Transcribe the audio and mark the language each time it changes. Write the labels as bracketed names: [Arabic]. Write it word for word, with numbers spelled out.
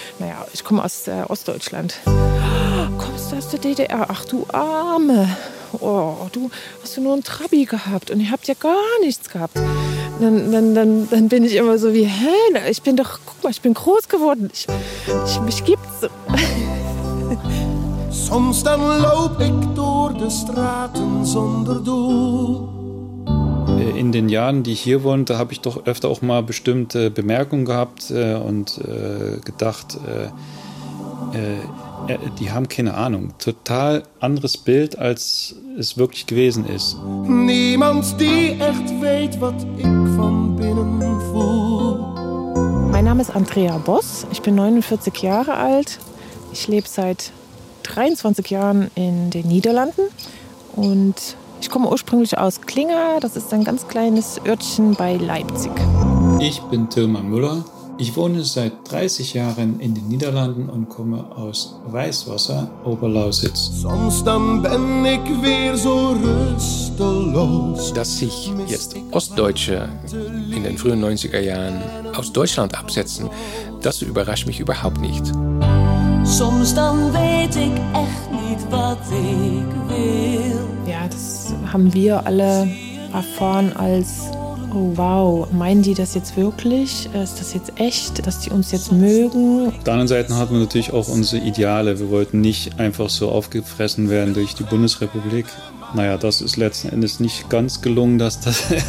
[German] Naja, ich komme aus äh, Ostdeutschland. Kommst du aus der D D R? Ach, du Arme. Oh, du hast du nur einen Trabi gehabt und ihr habt ja gar nichts gehabt. Dann, dann, dann, dann bin ich immer so wie, hä, ich bin doch, guck mal, ich bin groß geworden. Ich, ich, mich gibt's. [Dutch] Soms dan loop ik door de straten zonder doel. [German] In den Jahren, die ich hier wohnte, habe ich doch öfter auch mal bestimmte Bemerkungen gehabt äh, und äh, gedacht, äh, äh, die haben keine Ahnung. Total anderes Bild, als es wirklich gewesen ist. [Dutch] Niemand, die echt weet, wat ik van binnen voel. [German] Mein Name ist Andrea Boss, ich bin neunundvierzig Jahre alt. Ich lebe seit dreiundzwanzig Jahren in den Niederlanden und ich komme ursprünglich aus Klinga, das ist ein ganz kleines Örtchen bei Leipzig. Ich bin Tilman Müller, ich wohne seit dreißig Jahren in den Niederlanden und komme aus Weißwasser, Oberlausitz. [Dutch] Sonst dann bin ich wieder so rüstelos. [German] Dass sich jetzt Ostdeutsche in den frühen neunziger Jahren aus Deutschland absetzen, das überrascht mich überhaupt nicht. [Dutch] Soms dann weet ik echt niet wat ik wil. [German] Ja, das haben wir alle erfahren als, oh wow, meinen die das jetzt wirklich? Ist das jetzt echt, dass die uns jetzt mögen? Auf der anderen Seite hatten wir natürlich auch unsere Ideale. Wir wollten nicht einfach so aufgefressen werden durch die Bundesrepublik. Naja, das ist letzten Endes nicht ganz gelungen, dass das...